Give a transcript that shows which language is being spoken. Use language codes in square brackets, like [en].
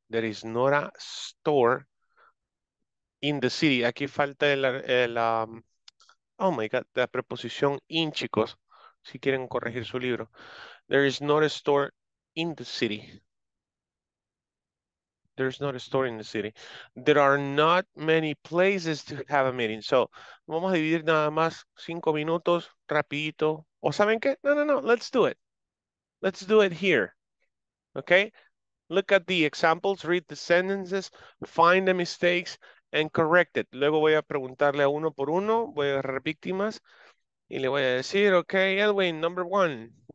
[en] There is not a store in the city. [es] Aquí falta el [en] oh my God, [es] la preposición in, chicos. Si quieren corregir su libro. [en] There is not a store in the city. There is not a store in the city. There are not many places to have a meeting. [es] So, vamos a dividir nada más 5 minutos, rapidito. ¿O saben qué? [en] No. Let's do it. Let's do it here. Okay? Look at the examples, read the sentences, find the mistakes, and correct it. [es] Luego voy a preguntarle a uno por uno, voy a agarrar víctimas, y le voy a decir, [en] okay, Edwin, number one.